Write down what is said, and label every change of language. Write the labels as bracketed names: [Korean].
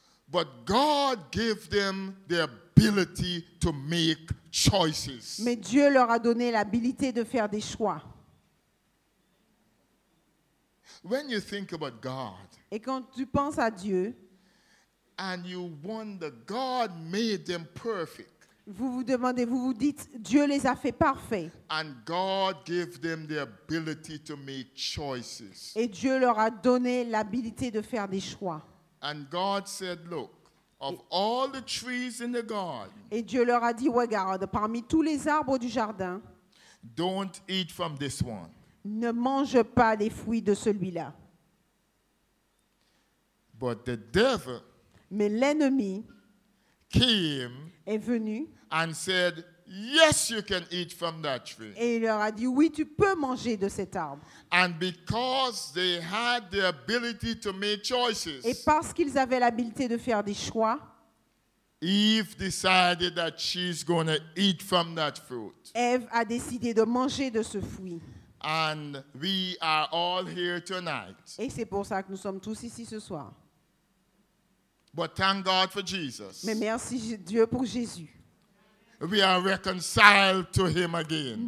[English] But God gave them the ability to make choices. [French] Mais Dieu leur a donné l'habilité de faire des choix. [English] When you think about God, [French] et quand tu penses à Dieu, [English] and you wonder, God made them perfect. [French] Vous vous demandez, vous vous dites, Dieu les a fait parfaits. [English] And God gave them the ability to make choices. [French] Et Dieu leur a donné l'habilité de faire des choix. [English] And God said, look, of all the trees in the garden. [French] Et Dieu leur a dit, regarde, parmi tous les arbres du jardin, [English] don't eat from this one. [French] Ne mange pas les fruits de celui-là. [English] But the devil, [French] mais l'ennemi, [English] came, [French] est venu, [English] and said, yes, you can eat from that tree. [French] Et il leur a dit, oui, tu peux manger de cet arbre. [English] And because they had the ability to make choices, [French] et parce qu'ils avaient l'habileté de faire des choix, [English] Eve decided that she's gonna eat from that fruit. [French] Eve a décidé de manger de ce fruit. [English] And we are all here tonight. [French] Et c'est pour ça que nous sommes tous ici ce soir. [English] But thank God for Jesus. [French] Mais merci Dieu pour Jésus. [English] We are reconciled to him again.